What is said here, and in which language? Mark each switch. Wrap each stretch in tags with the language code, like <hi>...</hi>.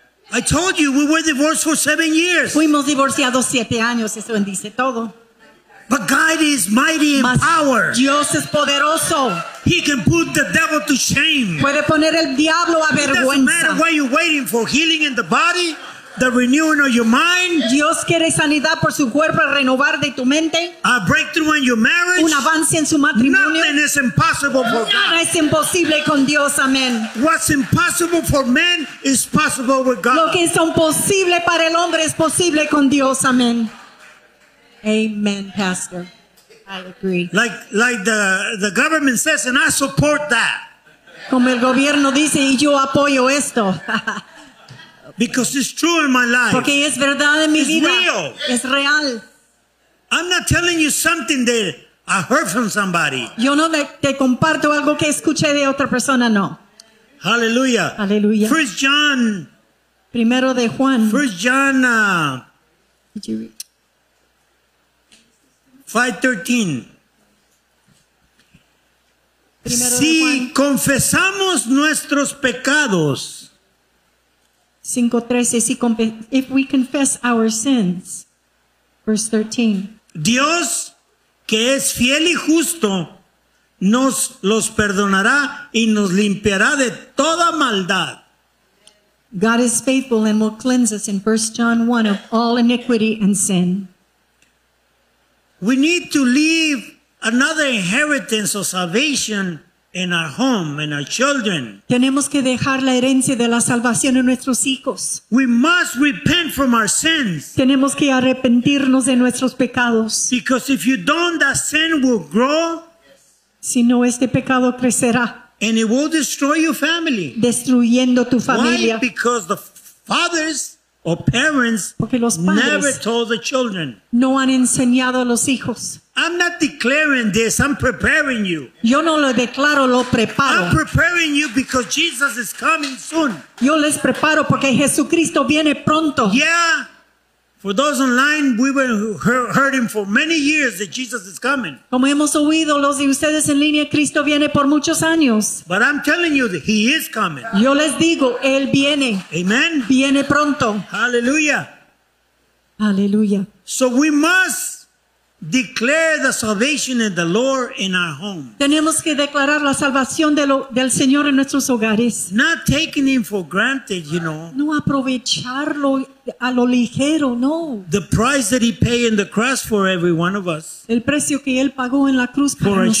<en>I told you, we were divorced for 7 years.</en> <es>Fuimos divorciados 7 años, eso dice todo.</es> <en>But God is mighty in power.</en> <es>Dios es poderoso.</es> <en>He can put the devil to shame.</en> <es>Puede poner el diablo a vergüenza.</es> <en>It doesn't matter what you're waiting for, healing in the body. The renewing of your mind.</en> <es>Dios quiere sanidad por su cuerpo, renovar de tu mente.</es> <en>A breakthrough in your marriage.</en> <es>Un avance en su matrimonio.</es> <en>Nothing is impossible for God.</en> <es>Nada es imposible con Dios. Amén.</es> <en>What's impossible for man is possible with God.</en> <es>Lo que es imposible para el hombre es posible con Dios.</es> <en>Amén. Amen, Pastor. I agree. Like the government says, and I support that.</en> <es>Como el gobierno dice, y yo apoyo esto.</es> <en>Because it's true in my life.</en> <es>Porque es verdad en mi</es> <en>it's</en> <es>vida.</es> <en>Real.</en> <es>Es real.</es> <en>I'm not telling you something that I heard from somebody.</en> <es>Yo no te comparto algo que escuché de otra persona, no.</es> <en>Hallelujah.</en> <es>Hallelujah.</es> <en>First John.</en> <es>Primero de Juan.</es> <en>First John. 5:13.</en> <es>Si confesamos nuestros pecados.</es> <en>5:13, if we confess our sins, verse 13.</en> <es>Dios, que es fiel y justo, nos los perdonará y nos limpiará de toda maldad.</es> <en>God is faithful and will cleanse us, in 1 John 1, of all iniquity and sin. We need to leave another inheritance of salvation in our home, in our children.</en> <es>Tenemos que dejar la herencia de la salvación en nuestros hijos.</es> <en>We must repent from our sins.</en> <es>Tenemos que arrepentirnos de nuestros pecados.</es> <en>Because if you don't, that sin will grow.</en> <es>Si no, este pecado crecerá.</es> <en>And it will destroy your family.</en> <es>Destruyendo tu familia.</es> <en>Why? Because the fathers or parents never told the children.</en> <es>No han enseñado a los hijos.</es> <en>I'm not declaring this. I'm preparing you.</en> <es>Yo no lo declaro, lo preparo.</es> <en>I'm preparing you because Jesus is coming soon.</en> <es>Yo les preparo porque Jesucristo viene pronto.</es> <en>Yeah. For those online, we were hearing for many years that Jesus is coming.</en> <es>Como hemos oído los de ustedes en línea, Cristo viene por muchos años.</es> <en>But I'm telling you that he is coming.</en> <es>Yo les digo, él viene.</es> <en>Amen.</en> <es>Viene pronto.</es> <en>Hallelujah.</en> <es>Hallelujah.</es> <en>So we must declare the salvation of the Lord in our home.</en> <es>Tenemos que declarar la salvación del Señor en nuestros hogares.</es> <en>Not taking him for granted, you know.</en> <es>No aprovecharlo a lo ligero, no.</es> <en>The price that he paid in the cross for every one of us.</en> <es>El precio que él pagó en la cruz para nosotros.</es>